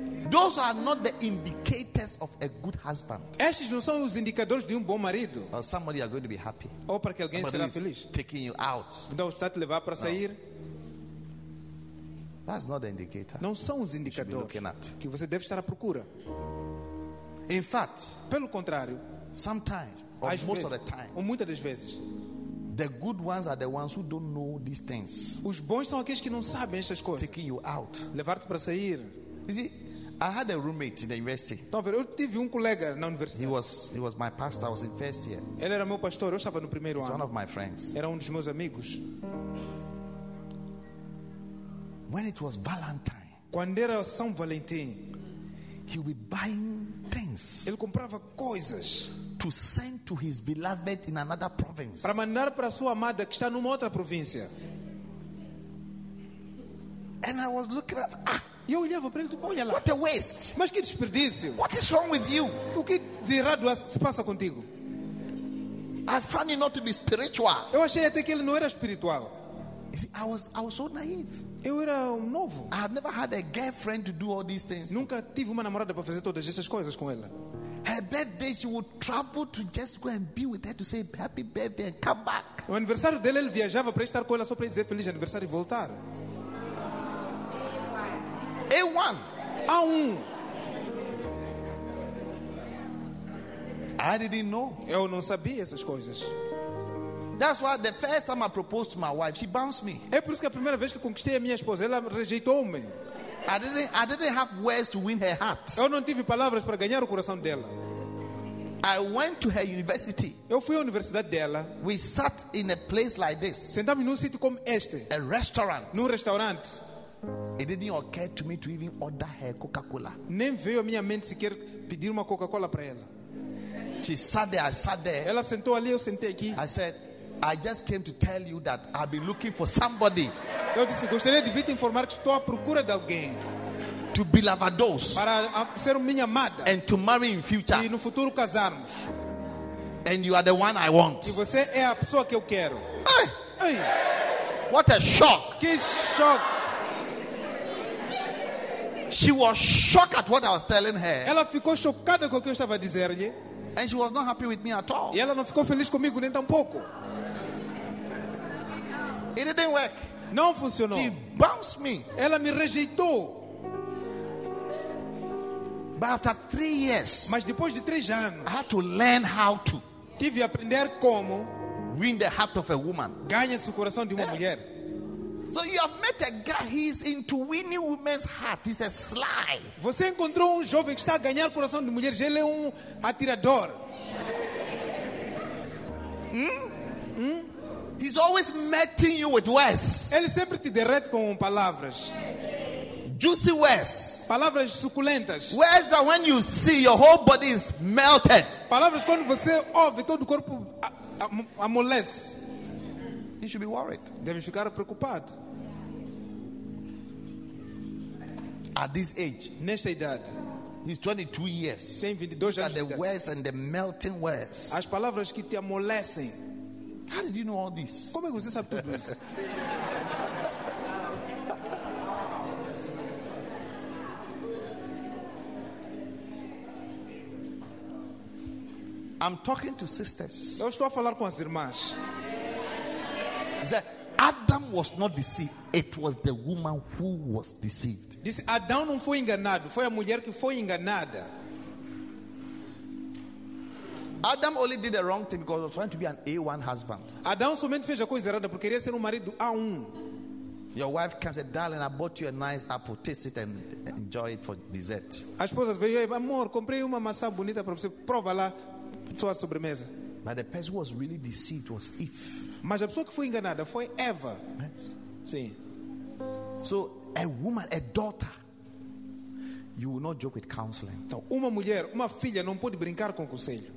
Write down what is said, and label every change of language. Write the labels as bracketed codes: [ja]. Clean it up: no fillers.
[en] Those are not the indicators of a good husband. [pt] Estes não são os indicadores de bom marido. [en] Or somebody are going to be happy. [pt] Ou para que alguém [en] somebody [pt] será feliz. [en] Taking you out. [pt] Então está te levar para sair. [en] No. That's not the indicator. [pt] Não são os indicadores [en] you should be looking at. [pt] Que você deve estar à procura. [en] In fact, [pt] pelo contrário, [en] sometimes or most [pt] vezes, [en] of the time, [pt] ou muitas das vezes, [en] the good ones are the ones who don't know these things. [pt] Os bons são aqueles que não sabem estas coisas. [en] Taking you out. [pt] Levar-te para sair. [en] You see, I had a roommate in the university. [pt] Eu tive colega na universidade. [en] He was my pastor. I was in first year. [pt] Ele era meu pastor. Eu estava no primeiro ano. [en] He's one of my friends. [pt] Era dos meus amigos. [en] When it was Valentine, [pt] quando era São Valentim, [en] he would be buying things. [pt] Ele comprava coisas [en] to send to his beloved in another province. [pt] Para mandar para sua amada que está numa outra província. [en] And I was looking at. [pt] E eu olhava para ele e tipo, olha lá. [en] What a waste. [pt] Mas que desperdício. [en] What is wrong with you? [pt] O que de errado se passa contigo? [en] I found it not to be spiritual. [pt] Eu achei até que ele não era espiritual. [en] See, I was so naive. [pt] Eu era novo. [en] I had never had a girlfriend to do all these things. [pt] Nunca tive uma namorada para fazer todas essas coisas com ela. [en] Her birthday, she would travel to just go and be with her to say happy birthday and come back. [pt] O aniversário dele, ele viajava para estar com ela só para dizer feliz aniversário e voltar. [en] A1. I didn't know. [pt] Eu não sabia essas coisas. [en] That's why the first time I proposed to my wife, she bounced me. [pt] É por isso que a primeira vez que conquistei a minha esposa, ela rejeitou-me. [en] I didn't have words to win her heart. [pt] Eu não tive palavras para ganhar o coração dela. [en] I went to her university. [pt] Eu fui à universidade dela. [en] We sat in a place like this. [pt] Sentamos num sítio como este. [en] A restaurant. [pt] Num restaurante. [en] It didn't occur to me to even order her Coca-Cola. [pt] Nem veio à minha mente sequer pedir uma Coca-Cola para ela. [en] She sat there, I sat there. [pt] Ela sentou ali, eu sentei aqui. [en] I said, I just came to tell you that I've been looking for somebody. [pt] Eu disse, gostaria de vir te informar que estou à procura de alguém. [en] To be lavados. [pt] Para ser minha amada. [en] And to marry in future. [pt] E no futuro casarmos. [en] And you are the one I want. [pt] E você é a pessoa que eu quero. [en] Ai. What a shock. [pt] Que shock. [en] She was shocked at what I was telling her. [pt] Ela ficou chocada com o que eu estava a dizer-lhe. [en] And she was not happy with me at all. [pt] E ela não ficou feliz comigo nem tampouco. [en] It didn't work. [pt] Não funcionou. [en] She bounced me. [pt] Ela me rejeitou. [en] But after 3 years, [pt] mas depois de 3 anos, [en] I had to learn how to. [pt] Tive a aprender como [en] win the heart of a woman. [pt] Ganhar o coração de uma mulher. [en] So you have met a guy, he's into winning women's heart. He's a sly. [pt] Você encontrou jovem que está a ganhar o coração de mulheres. Ele é atirador. [en] He's always melting you with words. [pt] Ele sempre te derrete com palavras. [en] Juicy words. [pt] Palavras suculentas. [en] Words that when you see, your whole body is melted. [pt] Palavras quando você ouve, todo o corpo amolece. [en] You should be worried. [pt] Deve ficar preocupado. [en] At this age, [pt] nesta idade, [en] he's 22 years. [pt] Tem 22 anos. [en] The words and the melting words. [pt] As palavras que te amolecem. [en] How did you know all this? [pt] Como é que você sabe tudo isso? [en] I'm talking to sisters. [pt] Eu estou a falar com as irmãs. [en] Adam was not deceived. It was the woman who was deceived. [pt] Disse, Adão não foi enganado. Foi a mulher que foi enganada. [en] Adam only did the wrong thing because he was trying to be an A1 husband. [pt] Adão somente fez a coisa errada porque queria ser marido A1. [en] Your wife comes and says, darling, I bought you a nice apple. Taste it and enjoy it for dessert. [pt] A esposa veio e amor, comprei uma maçã bonita para você. Prova lá. Sua sobremesa. [en] But the person who was really deceived was Eve. [pt] Mas a pessoa que foi enganada foi Eva. [en] Yes. [pt] Sim. [en] So, a woman, a daughter, you will not joke with counseling. [pt] Então, uma mulher, uma filha, não pode brincar com conselho.